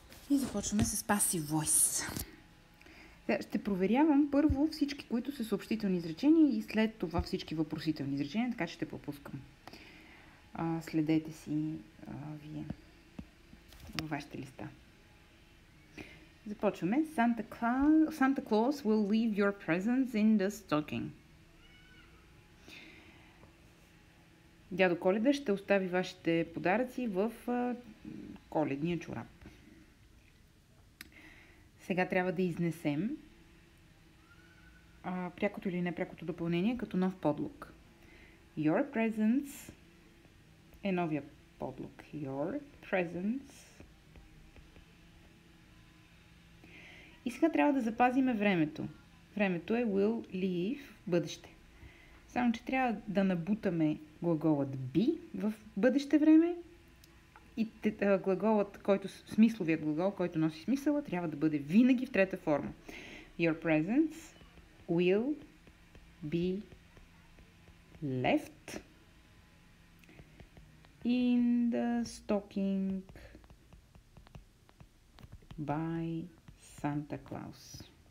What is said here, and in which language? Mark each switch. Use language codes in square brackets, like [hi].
[bg] И започваме с Passive Voice. Ще проверявам първо всички, които са съобщителни изречения и след това всички въпросителни изречения, така че ще пропускам. Следете си вие във вашите листа. Започваме. [en] Santa Claus will leave your presents in the stocking. [bg] Дядо Коледа ще остави вашите подаръци в коледния чорап. Сега трябва да изнесем прякото или непрякото допълнение като нов подлог. [en] Your presents [bg] е новия подлог. [en] Your presents. [bg] И сега трябва да запазиме времето. Времето е [en] will leave, [bg] бъдеще. Само, че трябва да набутаме глаголът be в бъдеще време и глаголът, който, смисловият глагол, който носи смисъла, трябва да бъде винаги в трета форма. [en] Your presence will be left in the stocking by Santa Claus.